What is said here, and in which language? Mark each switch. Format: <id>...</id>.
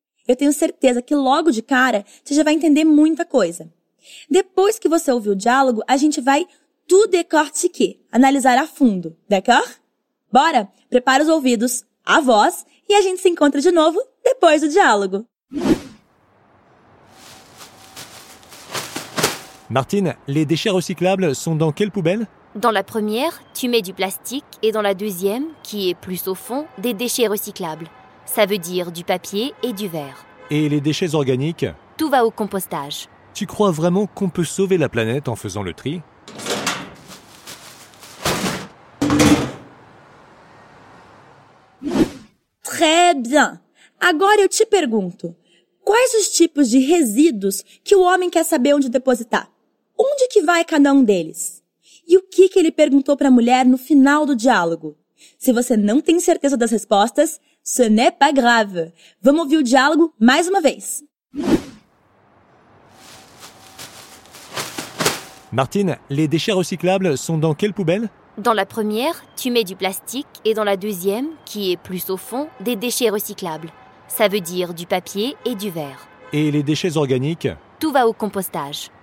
<pt>Eu tenho certeza que logo de cara você já vai entender muita coisa. Depois que você ouvir o diálogo, a gente vai</pt> <fr>tout décortiquer,</fr> <pt>analisar a fundo,</pt> <fr>d'accord?</fr> <pt>Bora, prepara os ouvidos, a voz, e a gente se encontra de novo depois do diálogo.</pt> <fr>Martine, les déchets recyclables sont dans quelle poubelle? Dans la première, tu mets du plastique et dans la deuxième, qui est plus au fond, des déchets recyclables. Ça veut dire du papier et du verre. Et les déchets organiques? Tout va au compostage. Tu crois vraiment qu'on peut sauver la planète en faisant le tri? Très bien.</fr> <pt>Agora eu te pergunto, quais os tipos de resíduos que o homem quer saber onde depositar? Onde que vai cada deles? E o que, que ele perguntou para a mulher no final do diálogo? Se você não tem certeza das respostas,</pt> <fr>ce n'est pas grave.</fr> <pt>Vamos ouvir o diálogo mais uma vez.</pt> <fr>Martine, les déchets recyclables sont dans quelle poubelle? Dans la première, tu mets du plastique et dans la deuxième, qui est plus au fond, des déchets recyclables. Ça veut dire du papier et du verre. Et les déchets organiques? Tout va au compostage.</fr>